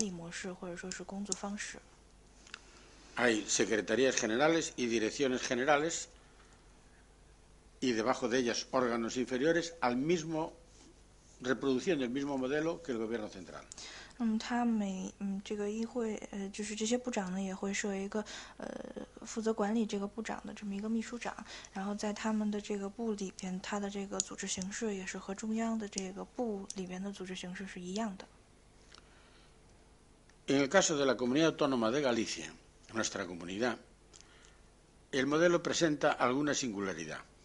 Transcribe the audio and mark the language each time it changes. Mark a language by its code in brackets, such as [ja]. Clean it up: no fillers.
[zh] 那么从结构上呢，每一个这种地方的小部长，他们叫这个委员，就是公司一人力，他们都是拥有跟中央的这种部长一样的这种管理模式或者说是工作方式。 [es] Hay secretarías generales y direcciones generales y debajo de ellas órganos inferiores al mismo, reproduciendo el mismo modelo que el gobierno central. [zh] 他们这个议会，就是这些部长呢，也会设一个负责管理这个部长的这么一个秘书长，然后在他们的这个部里边，他的这个组织形式也是和中央的这个部里边的组织形式是一样的。 [es] En el caso de la Comunidad Autónoma de Galicia, nuestra comunidad, el modelo presenta alguna singularidad.